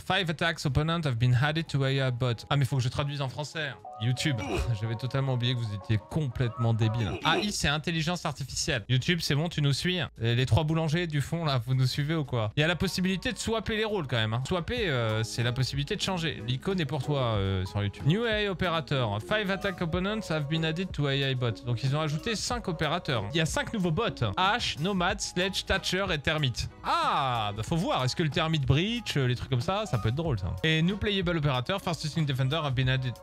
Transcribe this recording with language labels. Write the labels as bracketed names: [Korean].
[English] 5 attacks opponent have been added to AI bot. [French] Ah, mais faut que je traduise en français. YouTube. J'avais totalement oublié que vous étiez complètement débile. AI, c'est intelligence artificielle. YouTube, c'est bon, tu nous suis. Les trois boulangers du fond, là, vous nous suivez ou quoi? Il y a la possibilité de swapper les rôles quand même. Swapper, c'est la possibilité de changer. L'icône est pour toi sur YouTube. [English] New AI operator. 5 attack opponents have been added to AI bot. [French] Donc, ils ont ajouté 5 opérateurs. Il y a 5 nouveaux bots. Ash, Nomad, Sledge, Thatcher et Termite. Ah, bah, faut voir. Est-ce que le Termite Breach, les trucs comme ça, ça peut être drôle ça. [English] Et new playable opérateur, first 16 defender have been added.